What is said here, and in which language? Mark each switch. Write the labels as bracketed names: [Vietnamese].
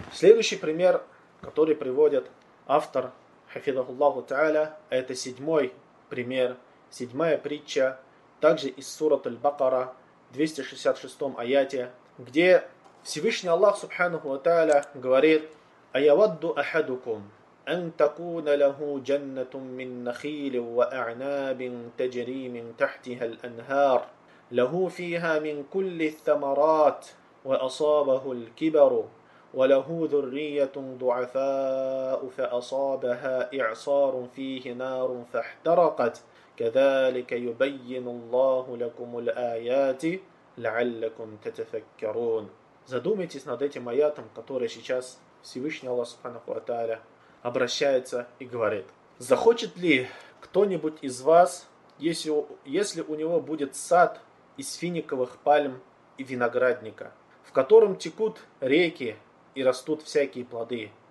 [Russian] Следующий пример, который приводит автор, хафидахуллаху та'аля, это седьмой пример, седьмая притча, также из сурат Аль-Бакара, 266-м аяте, где Всевышний Аллах, субханаху та'аля, говорит: [Arabic] «Аявадду ахадукум». أن تكون له جنة من نخيل وأعناب تجري من تحتها الأنهار له فيها من كل الثمرات وأصابه الكبر وله ذرية ضعفاء فأصابها إعصار فيه نار فاحترقت كذلك يبين الله لكم الآيات لعلكم تتفكرون. [Russian] Задумайтесь над этим аятом, который сейчас Всевышний Аллах Субханаху ва Тааля обращается и говорит: захочет ли кто-нибудь из вас, если у него будет сад из финиковых пальм и виноградника, в котором текут реки и растут всякие плоды?